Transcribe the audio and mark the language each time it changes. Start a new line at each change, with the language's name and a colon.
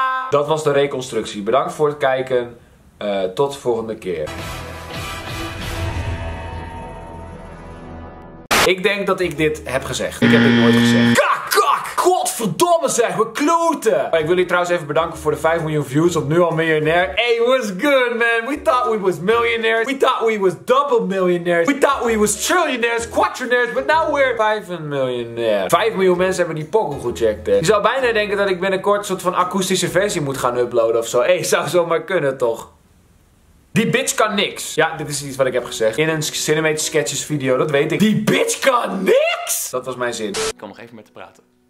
Dutch: Dat was de reconstructie. Bedankt voor het kijken. Tot de volgende keer. Ik denk dat ik dit heb gezegd. Ik heb dit nooit gezegd. Godverdomme zeg, we kloten! Ik wil jullie trouwens even bedanken voor de 5 miljoen views op Nu Al Miljonair.
English: Hey, what's good man? We thought we was millionaires. We thought we was double millionaires. We thought we was trillionaires, quatrionaires, but now we're 5 miljonair.
Dutch: 5 miljoen mensen hebben die pokoe gecheckt, hè. Je zou bijna denken dat ik binnenkort een soort van akoestische versie moet gaan uploaden ofzo. Hey, zou zomaar kunnen toch? Die bitch kan niks. Ja, dit is iets wat ik heb gezegd. In een Cinemate Sketches video, dat weet ik. Die bitch kan niks! Dat was mijn zin. Ik kom nog even met te praten.